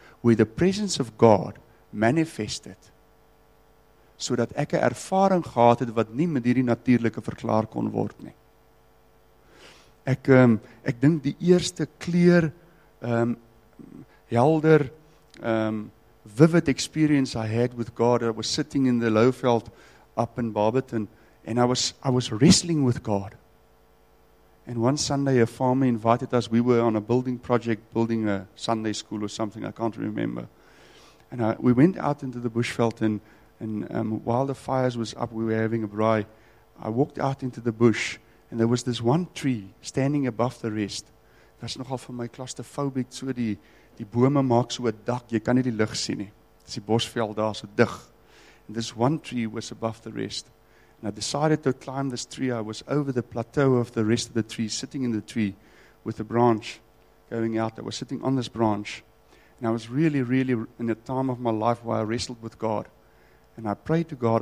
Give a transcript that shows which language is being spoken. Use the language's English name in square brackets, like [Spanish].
[English] Where the presence of God manifested, [Afrikaans] sodat ek 'n ervaring gehad het wat nie met hierdie natuurlike verklaar kon word nie. Ek dink die eerste kleur, helder, [English] vivid experience I had with God, I was sitting in the Louwveld up in Barberton, and I was wrestling with God. And one Sunday a farmer invited us, we were on a building project, building a Sunday school or something, I can't remember. And we went out into the bushveld, and while the fires was up, we were having a braai, I walked out into the bush, and there was this one tree standing above the rest. [Afrikaans] Dit's nogal vir my claustrophobic, so die bome maak so 'n dak, jy kan nie die lig sien nie. Dis die bosveld daar so dig. [English] And this one tree was above the rest. And I decided to climb this tree. I was over the plateau of the rest of the tree, sitting in the tree with a branch going out. I was sitting on this branch. And I was really, really in a time of my life where I wrestled with God. And I prayed to God.